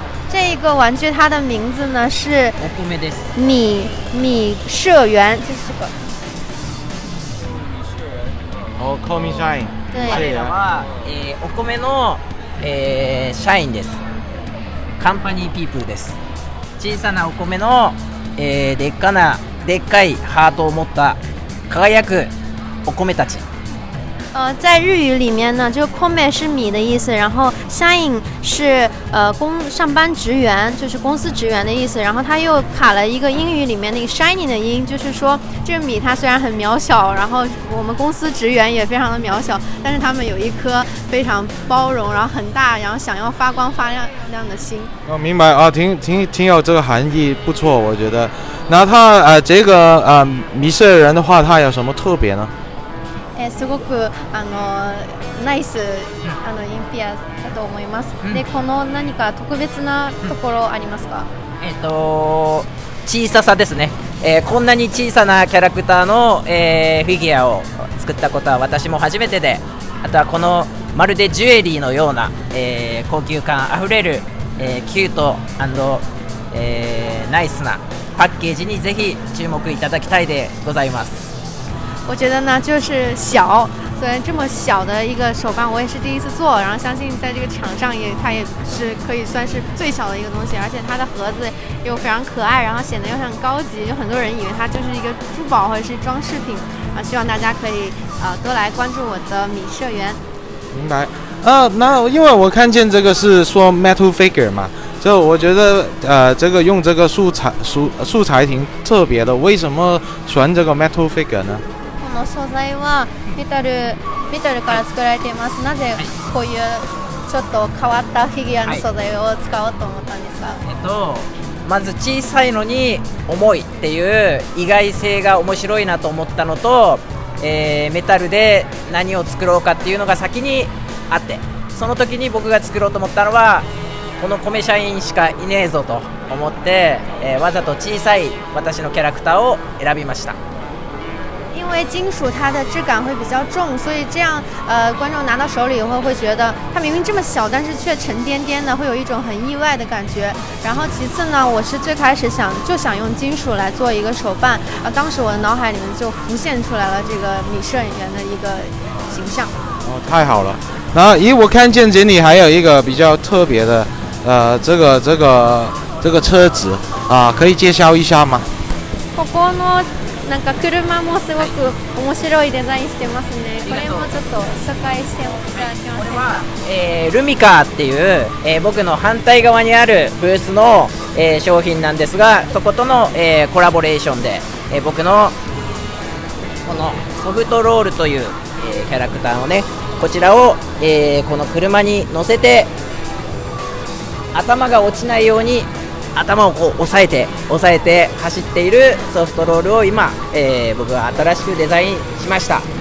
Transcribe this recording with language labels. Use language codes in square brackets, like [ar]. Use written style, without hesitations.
[zh] 这个玩具它的名字呢是米社员，就是这个。哦，Komeshine。对。 [ja] あれは、お米の、社員です。カンパニーピープルです。小さなお米の、でっかいハートを持った輝くお米たち。 [zh] 在日语里面呢，就是 kome 是米的意思，然后 shine 是上班职员，就是公司职员的意思，然后他又卡了一个英语里面那个 shining 的音，就是说这个米它虽然很渺小，然后我们公司职员也非常的渺小，但是他们有一颗非常包容，然后很大，然后想要发光发亮的心。哦，明白啊，挺有这个含义，不错，我觉得。那他这个米色人的话，他有什么特别呢？ [ja] すごくあのナイスあのインピアだと思います。でこの何か特別なところありますか？小ささですね、こんなに小さなキャラクターの、フィギュアを作ったことは私も初めてで、あとはこのまるでジュエリーのような、高級感あふれる、キュート&、ナイスなパッケージにぜひ注目いただきたいでございます。 [zh] 我觉得呢，就是小，虽然这么小的一个手办，我也是第一次做，然后相信在这个场上也，它也是可以算是最小的一个东西，而且它的盒子又非常可爱，然后显得又很高级，有很多人以为它就是一个珠宝或者是装饰品，啊，希望大家可以多来关注我的米社员。明白，那因为我看见这个是说 metal figure 嘛，就我觉得这个用这个素材挺特别的，为什么选这个 metal figure 呢？ [ja] 素材はメタルから作られています。なぜこういうちょっと変わったフィギュアの素材を使おうと思ったんですか？まず小さいのに重いっていう意外性が面白いなと思ったのと、メタルで何を作ろうかっていうのが先にあって、その時に僕が作ろうと思ったのはこの米社員しかいねえぞと思って、わざと小さい私のキャラクターを選びました。 [zh] 为金属它的质感会比较重，所以这样观众拿到手里以后会觉得它明明这么小，但是却沉甸甸的，会有一种很意外的感觉。然后其次呢，我是最开始想用金属来做一个手办，当时我的脑海里面就浮现出来了这个米摄影员的一个形象。哦，太好了。那咦，我看见这里还有一个比较特别的，这个车子啊，可以介绍一下吗？ [ja] ここのなんか車もすごく面白いデザインしてますね。これもちょっと紹介しておきたいと思います。これは、ルミカーっていう、僕の反対側にあるブースの、商品なんですが、そことの、コラボレーションで、僕のこのソフトロールという、キャラクターをね、こちらを、この車に乗せて頭が落ちないように頭をこう押さえて走っているソフトロールを今、僕は新しくデザインしました。